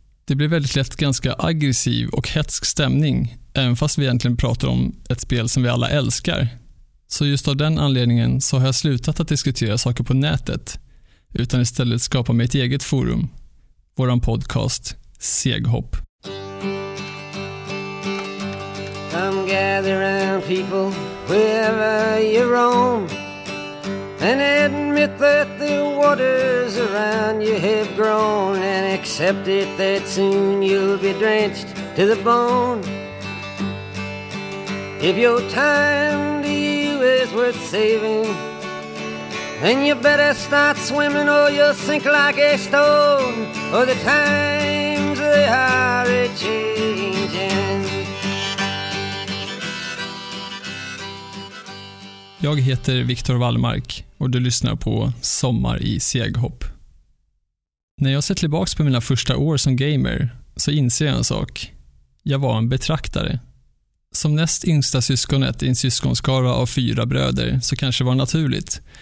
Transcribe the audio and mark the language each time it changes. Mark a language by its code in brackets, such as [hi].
[sv] Det blir väldigt lätt ganska aggressiv och hetsk stämning även fast vi egentligen pratar om ett spel som vi alla älskar. Så just av den anledningen så har jag slutat att diskutera saker på nätet utan istället skapa mig ett eget forum, våran podcast Seghopp. [en] Come gather around people wherever you roam and admit that the waters around you have grown and accept it that soon you'll be drenched to the bone. If your time is worth saving, then you better start swimming or you'll sink like a stone, or the times they are a-changing. [sv] Jag heter Viktor Wallmark och du lyssnar på Sommar i Seghopp. När jag ser tillbaka på mina första år som gamer så inser jag en sak. Jag var en betraktare. Som näst yngsta syskonet i en syskonskara av 4 bröder så kanske var naturligt.